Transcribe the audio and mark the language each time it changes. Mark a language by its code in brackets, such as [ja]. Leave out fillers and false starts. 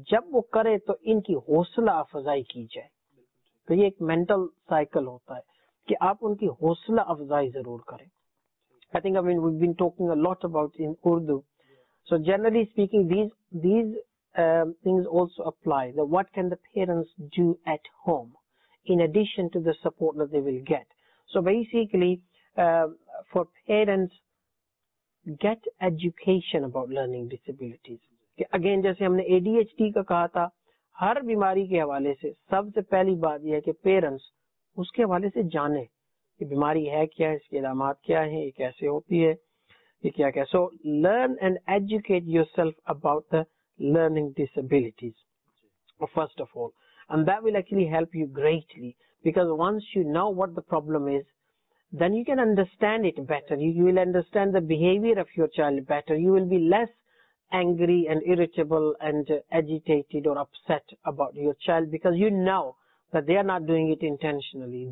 [ur] جب وہ کرے تو ان کی حوصلہ افزائی کی جائے. تو یہ ایک مینٹل سائیکل ہوتا ہے کہ آپ ان کی حوصلہ افزائی ضرور کریں. [en] I think I mean we been talking a lot about in Urdu, so generally speaking these things also apply, the what can the parents do at home in addition to the support that they will get. So basically, for parents, get education about learning disabilities. [ur] Again, جیسے ہم نے ADHD کا کہا تھا, ہر بیماری کے حوالے سے سب سے پہلی بات یہ ہے کہ پیرنٹس اس کے حوالے سے جانے کہ بیماری ہے کیا, اس کے علامات کیا ہیں, یہ کیسے ہوتی ہے, یہ کیا کیا. [en] So learn and educate yourself about the learning disabilities, first of all. And that will actually help you greatly, because once you know what the problem is, then you can understand it better. You will understand the behavior of your child better. You will be less angry and irritable and agitated or upset about your child, because you know that they are not doing it intentionally.